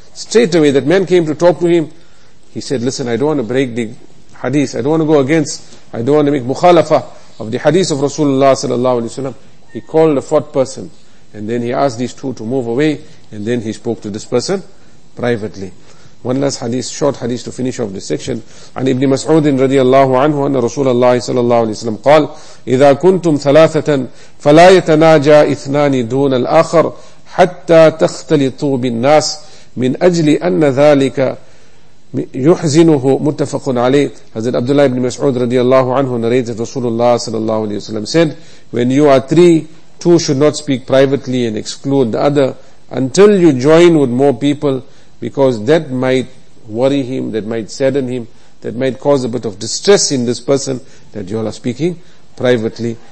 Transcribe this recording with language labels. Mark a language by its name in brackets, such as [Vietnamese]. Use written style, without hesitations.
[English] Straight away that man came to talk to him. He said, listen, I don't want to break the hadith. I don't want to go against. I don't want to make mukhalafa of the hadith of Rasulullah sallallahu alayhi wasallam. He called the fourth person. And then he asked these two to move away. And then he spoke to this person privately. One last hadith, short hadith to finish off this section. [Arabic] An Ibn Mas'udin radiallahu anhu anna Rasulullah sallallahu alayhi wa sallam qal, إِذَا كُنْتُمْ ثَلَاثَةً فَلَا يَتَنَاجَى إِثْنَانِ دُونَ الْآخَرِ حَتَّى تَخْتَلِطُوا بِالنَّاسِ مِنْ أَجْلِ أَنَّ ذَلِكَ يُحْزِنُهُ مُتَّفَقٌ عَلَيْهِ. [English] Hazrat Abdullah ibn Mas'ud radiallahu anhu narrated that Rasulullah sallallahu alayhi wa sallam said, when you are three, two should not speak privately and exclude the other until you join with more people, because that might worry him, that might sadden him, that might cause a bit of distress in this person that you all are speaking privately.